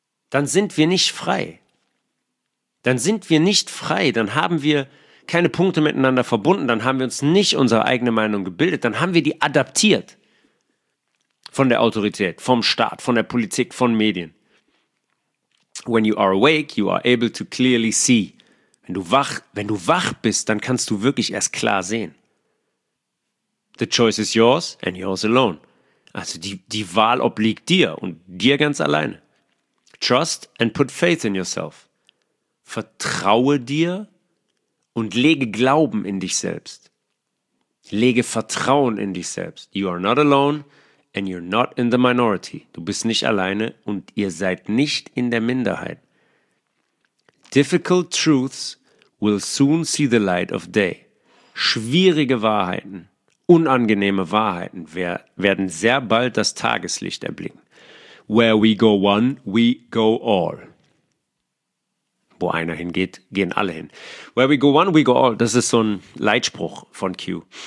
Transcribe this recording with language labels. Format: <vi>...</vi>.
<de>Dann sind wir nicht frei. Dann sind wir nicht frei, dann haben wir keine Punkte miteinander verbunden, dann haben wir uns nicht unsere eigene Meinung gebildet, dann haben wir die adaptiert von der Autorität, vom Staat, von der Politik, von Medien.</de> <en>When you are awake, you are able to clearly see.</en> <de>Wenn du wach bist, dann kannst du wirklich erst klar sehen.</de> <en>The choice is yours and yours alone.</en> <de>Also die Wahl obliegt dir und dir ganz alleine.</de> <en>Trust and put faith in yourself.</en> <de>Vertraue dir und lege Glauben in dich selbst. Lege Vertrauen in dich selbst.</de> <en>You are not alone and you're not in the minority.</en> <de>Du bist nicht alleine und ihr seid nicht in der Minderheit.</de> <en>Difficult truths will soon see the light of day.</en> <de>Schwierige Wahrheiten, unangenehme Wahrheiten werden sehr bald das Tageslicht erblicken.</de> <en>Where we go one, we go all.</en> <de>Wo einer hingeht, gehen alle hin.</de> <en>Where we go one, we go all.</en> <de>Das ist so ein Leitspruch von Q.</de>